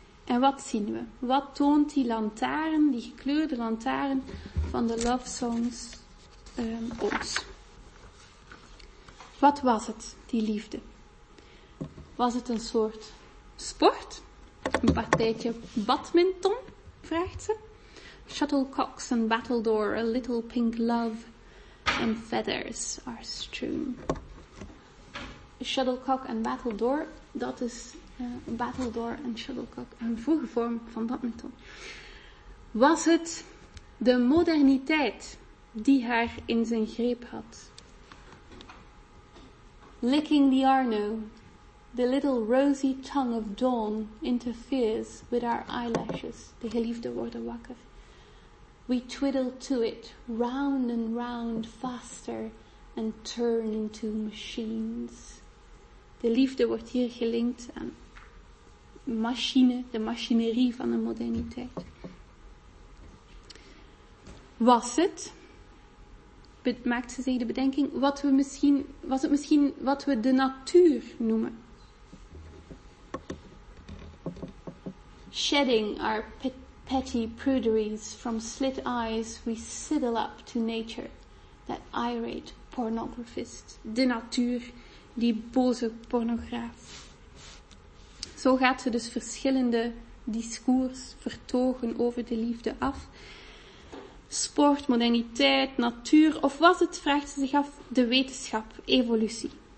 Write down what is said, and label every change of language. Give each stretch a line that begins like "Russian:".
Dutch: En wat zien we? Wat toont die lantaarn, die gekleurde lantaarn van de Love Songs ons? Wat was het, die liefde? Was het een soort sport? Een partijtje badminton, vraagt ze.
English: Shuttlecocks and battledore, a little pink love and feathers are strewn.
Dutch: Shuttlecock and battledore, dat is battledore en shuttlecock, een vroege vorm van badminton. Was het de moderniteit die haar in zijn greep had?
English: Licking the Arno, the little rosy tongue of dawn interferes with our eyelashes.
Dutch: De geliefde worden wakker.
English: We twiddle to it, round and round, faster, and turn into machines.
Dutch: De liefde wordt hier gelinkt aan machine, de machinerie van de moderniteit. Was het, maakt ze zich de bedenking, wat we misschien, was het misschien wat we de natuur noemen?
English: Shedding our petty pruderies from slit eyes, we sidle up to nature, that irate pornographist.
Dutch: De natuur, die boze pornograaf. Zo gaat ze dus verschillende discours vertogen over de liefde af. Sport, moderniteit, natuur, of was het, vraagt ze zich af, de wetenschap, evolutie.